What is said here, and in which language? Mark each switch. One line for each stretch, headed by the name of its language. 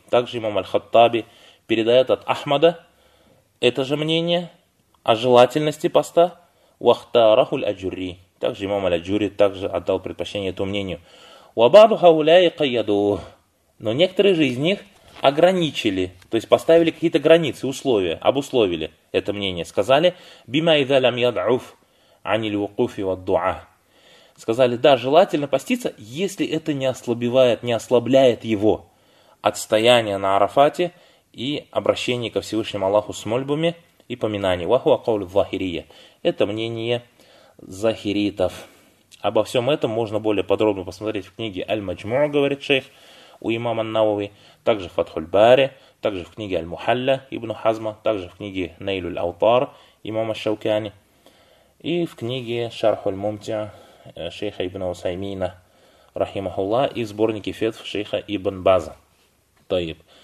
Russian: Также имам аль-Хаттаби передает от Ахмада это же мнение о желательности поста.
Arabic: وَاخْتَارَهُ الْأَجُرِّي.
Russian: Также имам аль-Аджури также отдал предпочтение этому мнению.
Arabic: وَبَعْضُ هَوْلَيْ قَيَّدُوهُ.
Russian: Но некоторые же из них ограничили, то есть поставили какие-то границы, условия, обусловили это мнение. Сказали
Arabic: بِمَا إِذَا لَمْ يَدْعُفْ عَنِ الْوُقُفِ وَالدُّعَى.
Russian: Сказали, да, желательно поститься, если это не ослабевает, не ослабляет его отстояние на Арафате и обращение ко Всевышнему Аллаху с мольбами и поминание.
Arabic: Вахуа каулю захирия.
Russian: Это мнение захиритов. Обо всем этом можно более подробно посмотреть в книге «Аль-Маджму'», говорит шейх у имама Ан-Навави, также в «Фатхуль-Бари», также в книге «Аль-Мухалля» Ибн Хазма, также в книге «Нейлюль-Аутар» имама Шаукани и в книге «Шарху-Аль-Мумтя» шейха ибн Усаймина рахимахулла и сборники фетв шейха ибн База. Тайб.